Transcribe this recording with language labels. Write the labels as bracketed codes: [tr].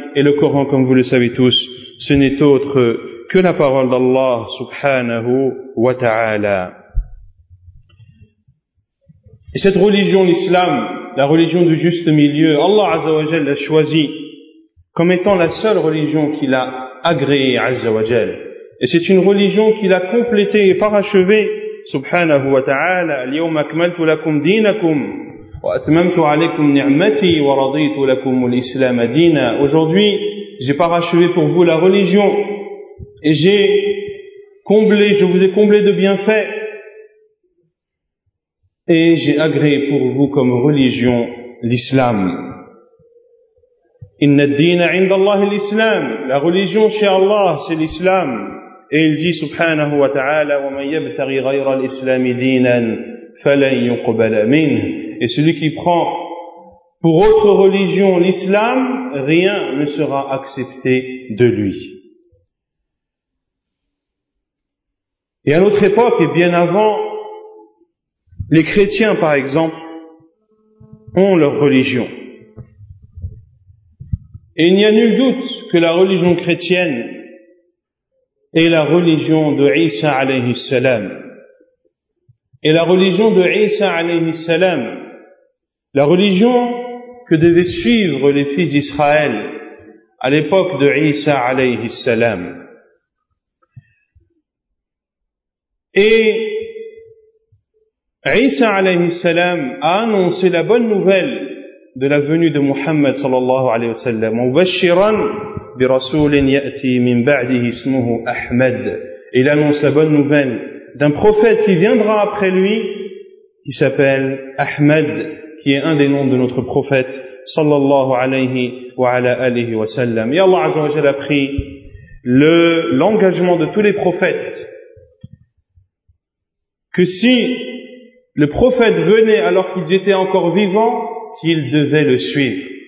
[fr] Et le Coran, comme vous le savez tous, ce n'est autre que la parole d'Allah subhanahu wa ta'ala. Et cette religion, l'islam, la religion du juste milieu, Allah azza wa jal l'a choisi comme étant la seule religion qu'il a agréée, azza wa jal. Et c'est une religion qu'il a complétée et parachevée. [ar] Subhanahu wa ta'ala, اليوم أكملت لكم دينكم وأتممت عليكم نعمتي ورضيت لكم الإسلام دينا. [fr] Aujourd'hui, j'ai parachevé pour vous la religion et je vous ai comblé de bienfaits et j'ai agréé pour vous comme religion l'islam. [ar] إن الدين عند الله الإسلام. [fr] La religion chez Allah, c'est l'islam. Et il dit [ar] subhanahu wa ta'ala, وَمَنْ يَبْتَغِي غَيْرَ الْإِسْلَامِ دِينًا فَلَنْ يُقْبَلَ مِنْهُ. [fr] Et celui qui prend pour autre religion l'islam, rien ne sera accepté de lui. Et à notre époque, et bien avant, les chrétiens par exemple, ont leur religion. Et il n'y a nul doute que la religion chrétienne et la religion de Isa alayhi salam. Et la religion de Isa alayhi salam, la religion que devaient suivre les fils d'Israël à l'époque de Isa alayhi salam. Et Isa alayhi salam a annoncé la bonne nouvelle de la venue de Muhammad sallallahu alayhi wa sallam. [ar] Mubashiran برسول يأتي من بعده اسمه أحمد. [fr] Il annonce la bonne nouvelle d'un prophète qui viendra après lui, qui s'appelle Ahmed, qui est un des noms de notre prophète sallallahu alayhi wa ala alihi wa sallam. Et Allah azza wa jalla a pris l'engagement de tous les prophètes que si le prophète venait alors qu'ils étaient encore vivants, qu'ils devaient le suivre.